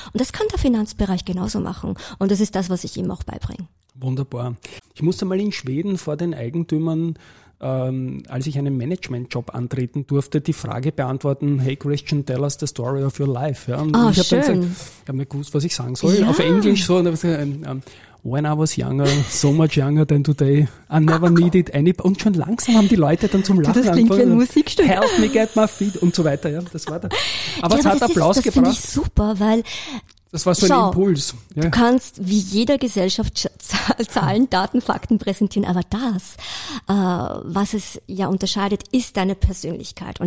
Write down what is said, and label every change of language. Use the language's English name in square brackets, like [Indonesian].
[German] Und das kann der Finanzbereich genauso machen. Und das ist das, was ich ihm auch beibringe. Wunderbar. Ich musste mal in Schweden vor den Eigentümern, als ich einen Management-Job antreten durfte, die Frage beantworten, hey Christian, [English] tell us the story of your life. [German] Ja, und ich habe dann gesagt, ich habe nicht gewusst, was ich sagen soll, auf Englisch so. [English] Und when I was younger, so much younger than today, I never needed any. [German] Und schon langsam haben die Leute dann zum Lachen angefangen. Das klingt wie ein Musikstück. [English] Help me get my feet [German] und so weiter. Ja, das war da. Aber es hat Applaus gebracht. Das finde ich super, weil... Das war so ein Impuls. Ja. Du kannst wie jeder Gesellschaft Zahlen, Daten, Fakten präsentieren, aber das, was es ja unterscheidet, ist deine Persönlichkeit.